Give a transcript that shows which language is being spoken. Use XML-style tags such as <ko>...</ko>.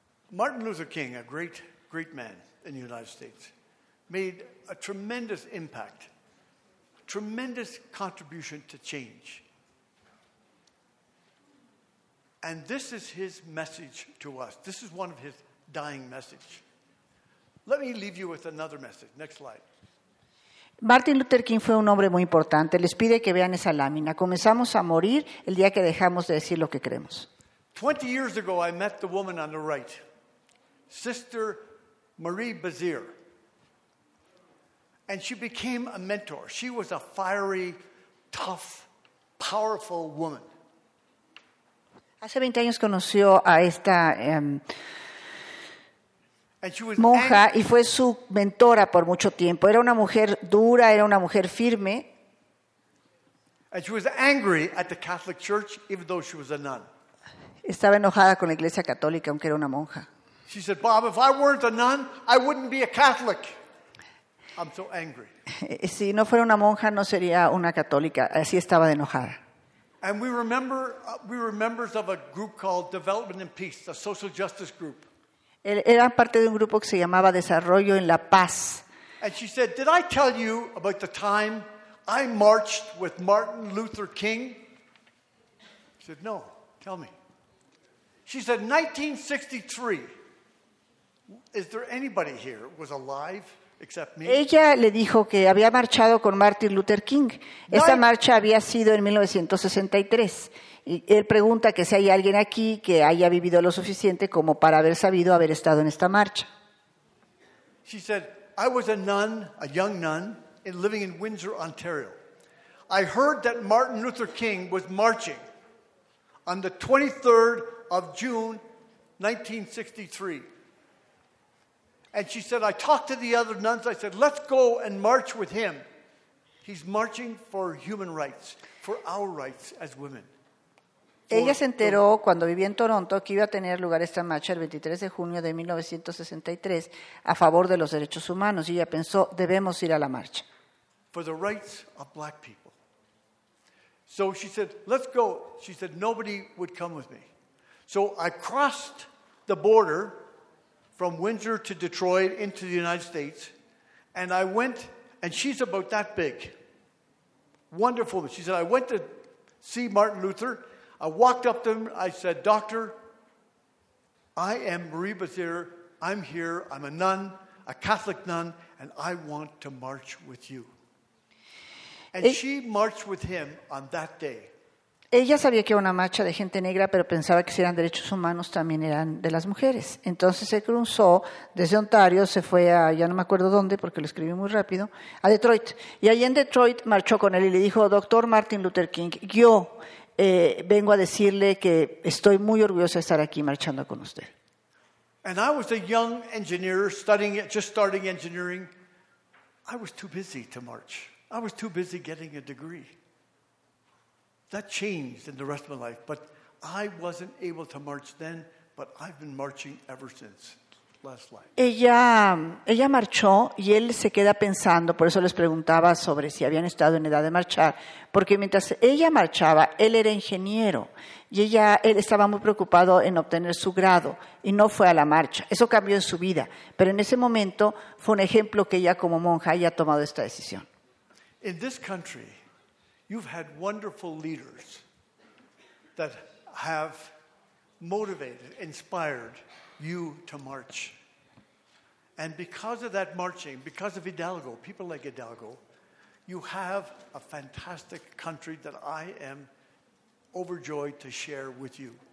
<en>Martin Luther King, a great, great man in the United States, made a tremendous impact, a tremendous contribution to change. And this is his message to us. This is one of his dying messages. Let me leave you with another message. Next slide.</en> <es>Martin Luther King fue un hombre muy importante. Les pide que vean esa lámina. Comenzamos a morir el día que dejamos de decir lo que creemos.</es> <en>20 years ago, I met the woman on the right, Sister Marie Bazire. And she became a mentor. She was a fiery, tough, powerful woman.</en> <es>Hace 20 años conoció a esta monja, y fue su mentora por mucho tiempo. Era una mujer dura, era una mujer firme.</es> <en>And she was angry at the Catholic Church, even though she was a nun.</en> <es>Estaba enojada con la Iglesia Católica, aunque era una monja.</es> <en>She said, Bob, if I weren't a nun, I wouldn't be a Catholic. I'm so angry.</en> <es>Si no fuera una monja, no sería una católica. Así estaba de enojada.</es> <en>And we were members of a group called Development and Peace, a social justice group.</en> <es>Era parte de un grupo que se llamaba Desarrollo en la Paz.</es> <en>And she said, did I tell you about the time I marched with Martin Luther King? I said, no, tell me. She said, 1963. Is there anybody here who was alive except me?</en> <es>Ella le dijo que había marchado con Martin Luther King. Esa marcha había sido en 1963. Y él pregunta que si hay alguien aquí que haya vivido lo suficiente como para haber sabido haber estado en esta marcha.</es> <en>She said, I was a nun, a young nun, in living in Windsor, Ontario. I heard that Martin Luther King was marching on the 23rd of June, 1963. And she said, I talked to the other nuns. I said, let's go and march with him. He's marching for human rights, for our rights as women.</en> <es>Ella se enteró cuando vivía en Toronto que iba a tener lugar esta marcha el 23 de junio de 1963 a favor de los derechos humanos. Y ella pensó, debemos ir a la marcha.</es> <en>For the rights of black people. So she said, let's go. She said, nobody would come with me. So I crossed the border from Windsor to Detroit into the United States. And I went, and she's about that big. Wonderful. She said, I went to see Martin Luther. I walked up to him. I said, Doctor, I am Marie Bazire. I'm here. I'm a nun, a Catholic nun, and I want to march with you. And she marched with him on that day.</en> <es>Ella sabía que era una marcha de gente negra, pero pensaba que si eran derechos humanos también eran de las mujeres. Entonces se cruzó desde Ontario, se fue a, ya no me acuerdo dónde, porque lo escribí muy rápido, a Detroit. Y allí en Detroit marchó con él y le dijo, doctor Martin Luther King, yo vengo a decirle que estoy muy orgullosa de estar aquí marchando con usted.</es> <en>And I was a young engineer studying, just starting engineering. I was too busy to march. I was too busy getting a degree. That changed in the rest of my life, but I wasn't able to march then, but I've been marching ever since. Last life.</en> <es>Ella marchó y él se queda pensando, por eso les preguntaba sobre si habían estado en edad de marchar, porque mientras ella marchaba, él era ingeniero y él estaba muy preocupado en obtener su grado y no fue a la marcha. Eso cambió en su vida, pero en ese momento fue un ejemplo que ella como monja haya tomado esta decisión.</es> <en>In this country, you've had wonderful leaders that have motivated, inspired you to march. And because of that marching, because of Hidalgo, people like Hidalgo, you have a fantastic country that I am overjoyed to share with you.</en>